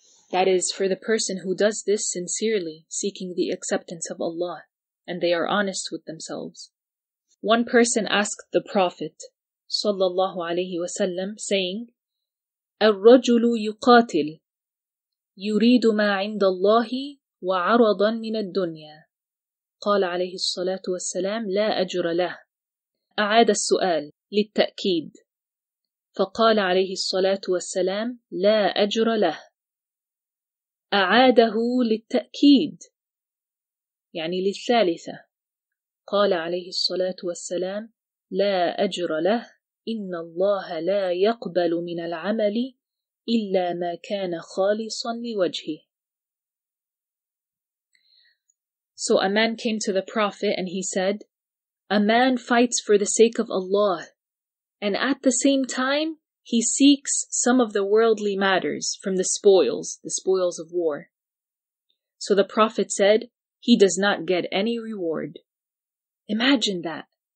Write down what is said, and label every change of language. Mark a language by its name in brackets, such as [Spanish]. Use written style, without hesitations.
[English] That is for the person who does this sincerely, seeking the acceptance of Allah, and they are honest with themselves. One person asked the Prophet, sallallahu alayhi wa sallam, saying, [Arabic] الرجل يقاتل يريد ما عند الله وعرضا من الدنيا. قال عليه الصلاة والسلام لا أجر له. أعاد السؤال للتأكيد. فقال عليه الصلاة والسلام لا أجر له. أعاده للتأكيد يعني للثالثة قال عليه الصلاة والسلام لا أجر له إن الله لا يقبل من العمل إلا ما كان خالصا لوجهه. [English] So a man came to the Prophet and he said, a man fights for the sake of Allah and at the same time he seeks some of the worldly matters from the spoils of war. So the Prophet said, he does not get any reward. Imagine that.